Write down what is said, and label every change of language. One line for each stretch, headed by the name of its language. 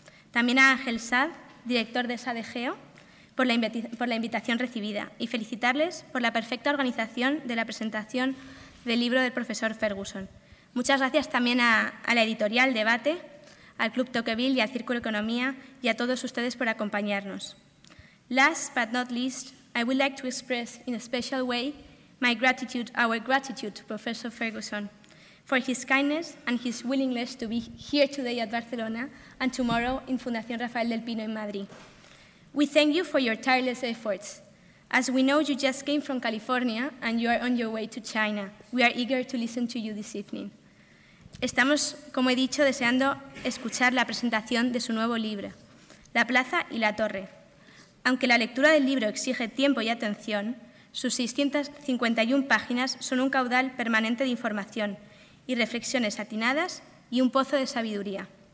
Spanish: También a Ángel Saad, director de SADEGEO, por la invitación recibida y felicitarles por la perfecta organización de la presentación del libro del profesor Ferguson. Muchas gracias también a la editorial Debate, al Club Tocqueville y al Círculo Economía y a todos ustedes por acompañarnos.
English: Last but not least, I would like to express in a special way my gratitude, our gratitude to Professor Ferguson for his kindness and his willingness to be here today at Barcelona and tomorrow in Fundación Rafael del Pino in Madrid. We thank you for your tireless efforts. As we know, you just came from California and you are on your way to China. We are eager to listen to you this evening.
Spanish: Estamos, como he dicho, deseando escuchar la presentación de su nuevo libro, La Plaza y la Torre. Aunque la lectura del libro exige tiempo y atención, sus 651 páginas son un caudal permanente de información y reflexiones atinadas y un pozo de sabiduría.